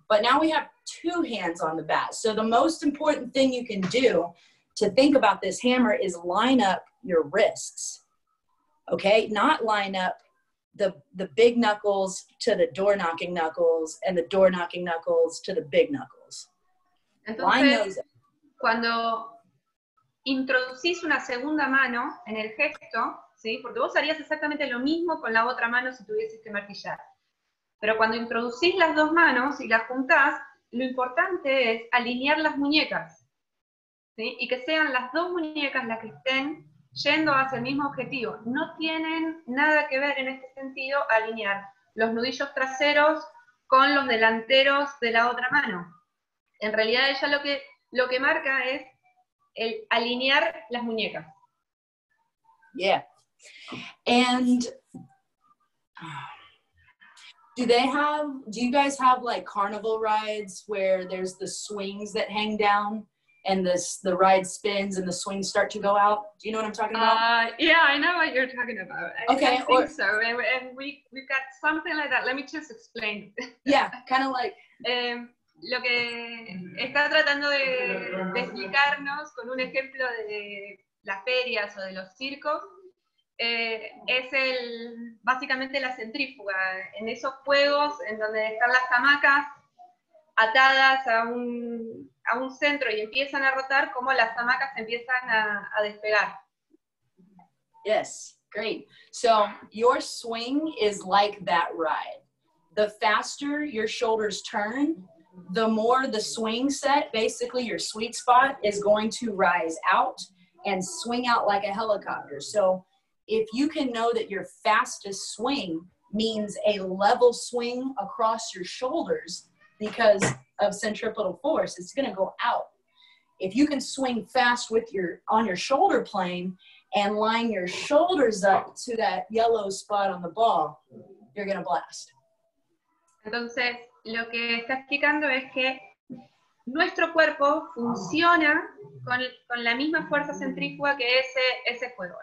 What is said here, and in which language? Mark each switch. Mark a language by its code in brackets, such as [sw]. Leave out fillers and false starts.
[en] But now we have two hands on the bat. So the most important thing you can do to think about this hammer is line up your wrists. Okay? Not line up the big knuckles to the door knocking knuckles and the door knocking knuckles to the big knuckles. Entonces, line those up. [es] Cuando introducís una segunda mano en el gesto, ¿sí? Porque vos harías exactamente lo mismo con la otra mano si tuvieses que martillar. Pero cuando introducís las dos manos y las juntás, lo importante es alinear las muñecas, ¿sí? Y que sean las dos muñecas las que estén yendo hacia el mismo objetivo. No tienen nada que ver en este sentido alinear los nudillos traseros con los delanteros de la otra mano. En realidad ella lo que marca es el alinear las muñecas. [en] Yeah. And do you guys have like carnival rides where there's the swings that hang down and the ride spins and the swings start to go out? Do you know what I'm talking about? Yeah, I know what you're talking about. Okay. And we've got something like that. Let me just explain. Yeah, kind of like [es] lo que está tratando de explicarnos con un ejemplo de las ferias o de los circos. Es básicamente la centrífuga, en esos juegos en donde están las hamacas atadas a un centro y empiezan a rotar, como las hamacas empiezan a despegar. [en] Yes, great. So, your swing is like that ride. The faster your shoulders turn, the more the swing set, basically your sweet spot, is going to rise out and swing out like a helicopter. So, if you can know that your fastest swing means a level swing across your shoulders because of centripetal force, it's going to go out. If you can swing fast with on your shoulder plane and line your shoulders up to that yellow spot on the ball, you're going to blast. [es] Entonces, lo que está explicando es que nuestro cuerpo funciona con la misma fuerza centrífuga que ese juego.